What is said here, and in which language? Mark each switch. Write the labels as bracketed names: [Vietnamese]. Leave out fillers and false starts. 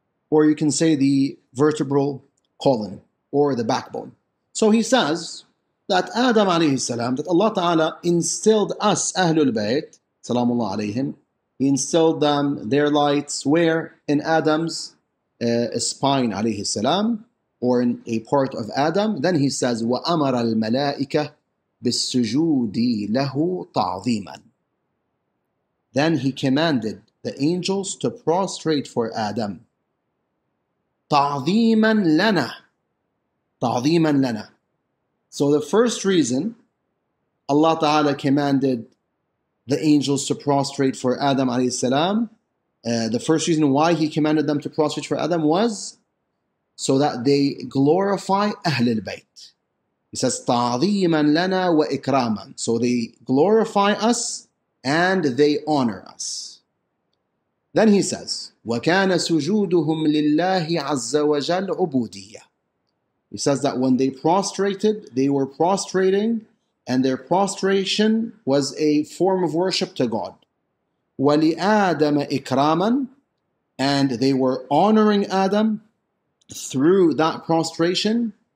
[English] Or you can say the vertebral colon or the backbone. So he says that Adam alayhi salam, that Allah ta'ala instilled us, Ahlul Bayt, salamullah alayhim, he instilled them, their lights, where? In Adam's spine alayhi salam, or in a part of Adam. [Arabic] Then he says, وَأَمَرَ الْمَلَائِكَةِ بِالسُّجُودِ لَهُ تَعْظِيمًا. [English] Then he commanded the angels to prostrate for Adam. [Arabic] تَعْظِيمًا لَنَا تَعْظِيمًا لَنَا. [English] So the first reason Allah Ta'ala commanded the angels to prostrate for Adam alayhi salam, the first reason why he commanded them to prostrate for Adam was so that they glorify Ahlul Bayt. [Arabic] He says, تَعْظِيمًا لَنَا وَإِكْرَامًا. [English] So they glorify us and they honor us. [Arabic] Then he says, وَكَانَ سُجُودُهُمْ لِلَّهِ عَزَّ وَجَلْ عُبُودِيَّةً. [English] He says that when they prostrated, they were prostrating, and their prostration was a form of worship to God. [Arabic] وَلِآدَمَ إِكْرَامًا. [English] And they were honoring Adam through that prostration.